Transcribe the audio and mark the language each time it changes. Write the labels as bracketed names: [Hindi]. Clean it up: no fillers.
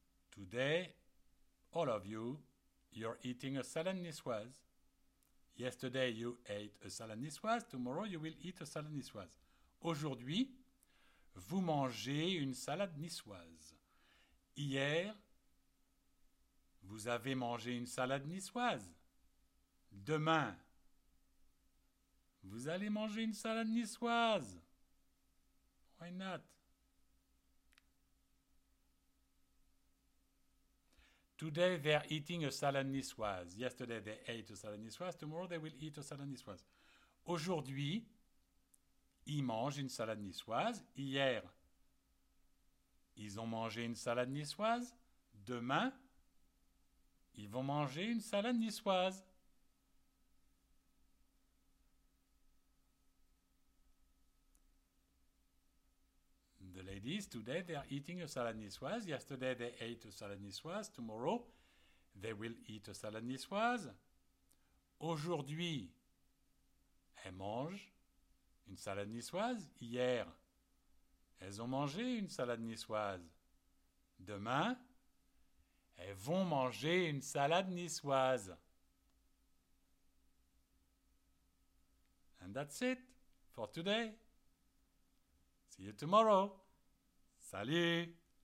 [English] Today, all of you, you're eating a salad niçoise. Yesterday, you ate a salad niçoise. Tomorrow, you will eat a salad niçoise. [French] Aujourd'hui, vous mangez une salade niçoise. Hier, vous avez mangé une salade niçoise. Demain, vous allez manger une salade niçoise. [English] Why not? Today they're eating a salad niçoise. Yesterday they ate a salad niçoise. Tomorrow they will eat a salad niçoise. [French] Aujourd'hui, ils mangent une salade niçoise. Hier, ils ont mangé une salade niçoise. Demain, ils vont manger une salade niçoise. [English] The ladies, today they are eating a salad niçoise. Yesterday they ate a salad niçoise. Tomorrow they will eat a salad niçoise. [French] Aujourd'hui, elles mangent une salade niçoise. Hier, elles ont mangé une salade niçoise. Demain, elles vont manger une salade niçoise. [English] And that's it for today. See you tomorrow. Salut!